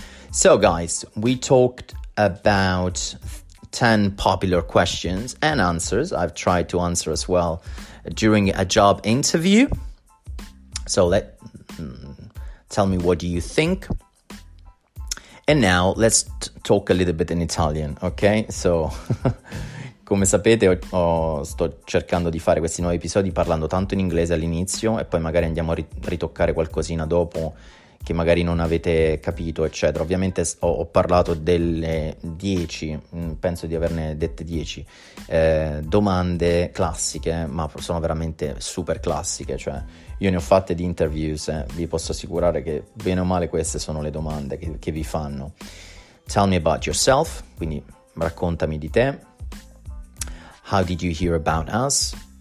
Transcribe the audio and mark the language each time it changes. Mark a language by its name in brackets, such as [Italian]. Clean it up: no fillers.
[English] So guys, we talked about 10 popular questions and answers I've tried to answer as well during a job interview. So tell me, what do you think? And now let's talk a little bit in Italian, ok? [Italian] So, come sapete, sto cercando di fare questi nuovi episodi parlando tanto in inglese all'inizio, e poi magari andiamo a ritoccare qualcosina dopo che magari non avete capito, eccetera. Ovviamente ho parlato delle 10, penso di averne dette 10, domande classiche, ma sono veramente super classiche, cioè io ne ho fatte di interviews, vi posso assicurare che bene o male queste sono le domande che vi fanno. [English] Tell me about yourself, [Italian] quindi raccontami di te. [English] How did you hear about us?